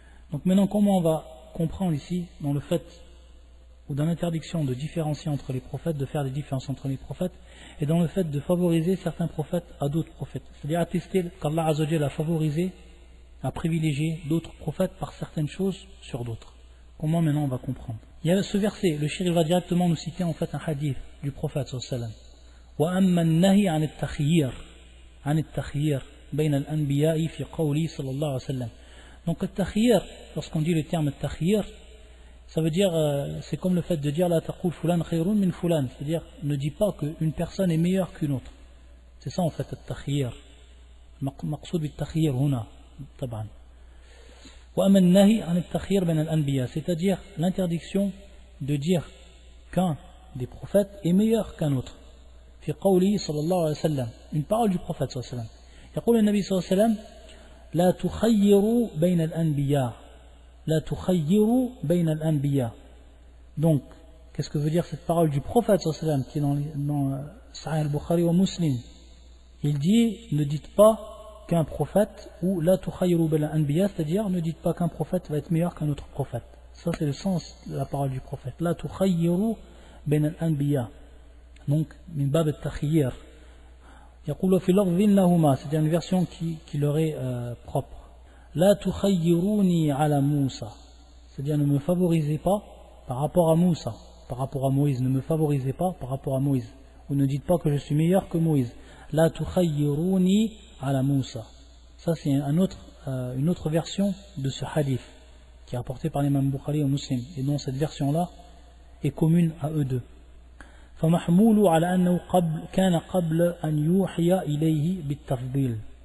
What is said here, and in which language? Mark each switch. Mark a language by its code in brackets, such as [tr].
[fr] Donc maintenant, comment on va comprendre ici, dans le fait ou dans l'interdiction de différencier entre les prophètes, de faire des différences entre les prophètes, et dans le fait de favoriser certains prophètes à d'autres prophètes. C'est-à-dire attester qu'Allah Azzawajal a favorisé, a privilégié d'autres prophètes par certaines choses sur d'autres. Comment maintenant on va comprendre? Il y a ce verset, le shir va directement nous citer en fait un hadith du prophète sallallahu alayhi wa sallam. [ar] وأما النهي عن التخيير عن التخيير بين الأنبياء في قوله صلى الله عليه وسلم. [fr] Donc التخيير, lorsqu'on dit le terme التخيير, ça veut dire c'est comme le fait de dire [ar] لا تقول فلان خير من فلان, [fr] c'est-à-dire ne dis pas qu'une personne est meilleure qu'une autre. C'est ça en fait التخيير. [ar] مقصود بالتخيير هنا طبعا. وأما النهي عن التخيير بين الأنبياء, [fr] c'est-à-dire l'interdiction de dire qu'un des prophètes est meilleur qu'un autre. [ar] في قوله صلى الله عليه وسلم. [fr] Une parole du prophète صلى الله عليه وسلم. [ar] يقول النبي صلى الله عليه وسلم لا تخيروا بين الأنبياء. لا تخيروا بين الأنبياء. [fr] Donc, qu'est-ce que veut dire cette parole du prophète صلى الله عليه وسلم qui est dans Sahih al-Bukhari wa Muslim? Il dit ne dites pas qu'un prophète, ou [ar] لا تخيروا بين الأنبياء, [fr] c'est-à-dire ne dites pas qu'un prophète va être meilleur qu'un autre prophète. Ça c'est le sens de la parole du prophète. [ar] لا تخيروا بين الأنبياء. [fr] Donc, [ar] min bab al-takhyir. Yaqulu fi lafdhin lahuma, [fr] c'est une version qui leur est propre. [ar] La tukhayyiruni ala Musa, [fr] c'est-à-dire ne me favorisez pas par rapport à Moussa, par rapport à Moïse, ne me favorisez pas par rapport à Moïse. Ou ne dites pas que je suis meilleur que Moïse. [ar] La tukhayyiruni ala Musa. [fr] Ça, c'est une autre version de ce hadith qui est apporté par l'imam Bukhari et Muslim. Et donc, cette version-là est commune à eux deux. [ar] فمحمول على أنه قبل كان قبل أن يوحي إليه بالتفضيل.